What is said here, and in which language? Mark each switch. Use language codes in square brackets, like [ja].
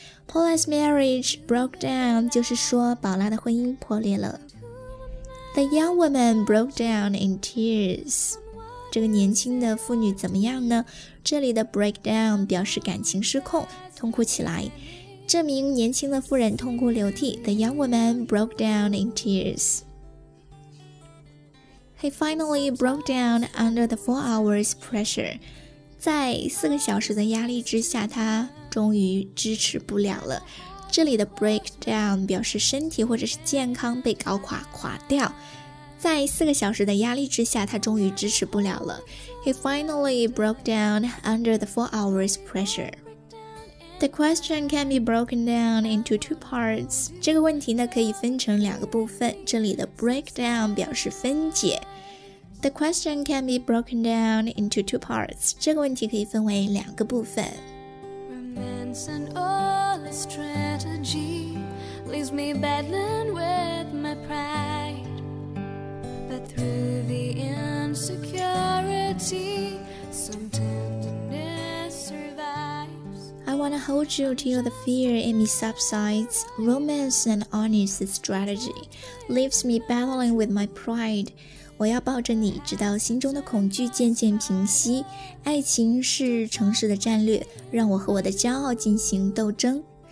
[en] Paula's marriage broke down [zh] 就是说宝拉的婚姻破裂了。 [en] The young woman broke down in tears. [zh] 这个年轻的妇女怎么样呢？这里的 break down 表示感情失控，痛哭起来。这名年轻的妇人痛哭流涕。 [en] The young woman broke down in tears. He finally broke down under the 4 hours pressure. [zh] 在4个小时的压力之下，他终于支持不了了，这里的 breakdown 表示身体或者是健康被搞垮垮掉，在四个小时的压力之下，他终于支持不了了。 [en] He finally broke down under the 4 hours pressure. The question can be broken down into 2 parts. [zh] 这个问题呢可以分成两个部分，这里的 breakdown 表示分解。 [en] The question can be broken down into 2 parts. [zh] 这个问题可以分为两个部分。 [en] Romance and all its strategy leaves me battling with my pride. But through the insecurity, some tenderness survives. I wanna hold you till the fear in me subsides. Romance and honest strategy leaves me battling with my pride. [zh] 我要抱着你，直到心中的恐惧渐渐平息。爱情是诚实的战略，让我和我的骄傲进行斗争。